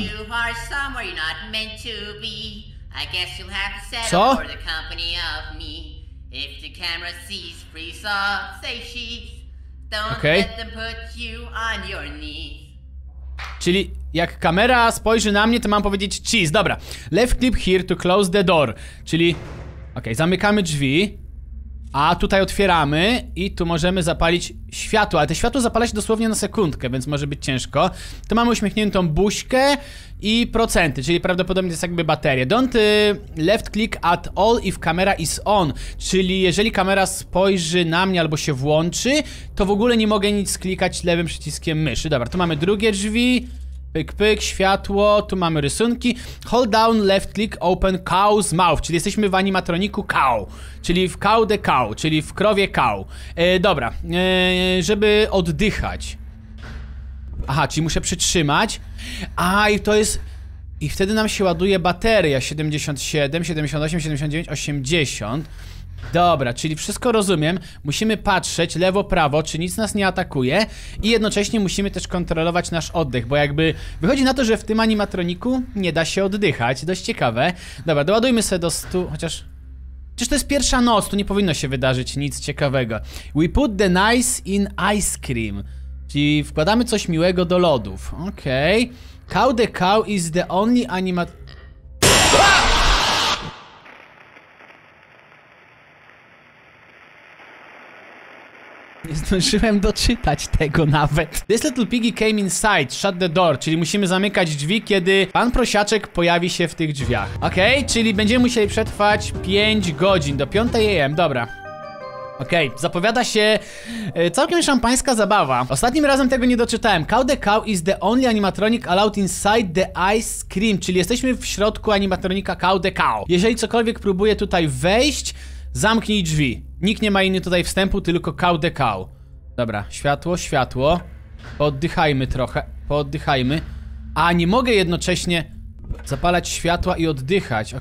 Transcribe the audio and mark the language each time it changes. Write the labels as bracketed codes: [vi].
[en] You are somewhere not meant to be. I guess you'll have to settle for the company of me. If the camera sees, freeze off, say sheets. Don't okay. Let them put you on your knees. [pl] Czyli jak kamera spojrzy na mnie, to mam powiedzieć cheese. Dobra, [en] left clip here to close the door. [pl] Czyli, okej, okay, zamykamy drzwi. A tutaj otwieramy. I tu możemy zapalić światło. Ale to światło zapala się dosłownie na sekundkę, więc może być ciężko. Tu mamy uśmiechniętą buźkę i procenty, czyli prawdopodobnie to jest jakby bateria. [en] Don't left click at all if camera is on. [pl] Czyli jeżeli kamera spojrzy na mnie albo się włączy, to w ogóle nie mogę nic klikać lewym przyciskiem myszy. Dobra, tu mamy drugie drzwi. Pyk, pyk, światło, tu mamy rysunki. [en] Hold down, left click, open cow's mouth. [pl] Czyli jesteśmy w animatroniku cow. Czyli w cow the cow, czyli w krowie cow. Dobra, żeby oddychać. Aha, czyli muszę przytrzymać. A, i to jest... I wtedy nam się ładuje bateria. 77, 78, 79, 80. Dobra, czyli wszystko rozumiem. Musimy patrzeć lewo, prawo, czy nic nas nie atakuje. I jednocześnie musimy też kontrolować nasz oddech. Bo jakby wychodzi na to, że w tym animatroniku nie da się oddychać. Dość ciekawe. Dobra, doładujmy sobie do 100, chociaż... Przecież to jest pierwsza noc, tu nie powinno się wydarzyć nic ciekawego. [en] We put the nice in ice cream. [pl] Czyli wkładamy coś miłego do lodów. Okej, okay. [en] Cow the cow is the only animat... [pl] Nie zdążyłem doczytać tego nawet. [en] This little piggy came inside, shut the door. [pl] Czyli musimy zamykać drzwi, kiedy pan prosiaczek pojawi się w tych drzwiach. Okej, okay, czyli będziemy musieli przetrwać 5 godzin do 5 AM, dobra. Okej, okay, zapowiada się całkiem szampańska zabawa. Ostatnim razem tego nie doczytałem. [en] Cow the cow is the only animatronic allowed inside the ice cream. [pl] Czyli jesteśmy w środku animatronika cow the cow. Jeżeli cokolwiek próbuje tutaj wejść, zamknij drzwi. Nikt nie ma inny tutaj wstępu, tylko cow the cow. Dobra, światło, światło. Pooddychajmy trochę, pooddychajmy. A nie mogę jednocześnie zapalać światła i oddychać.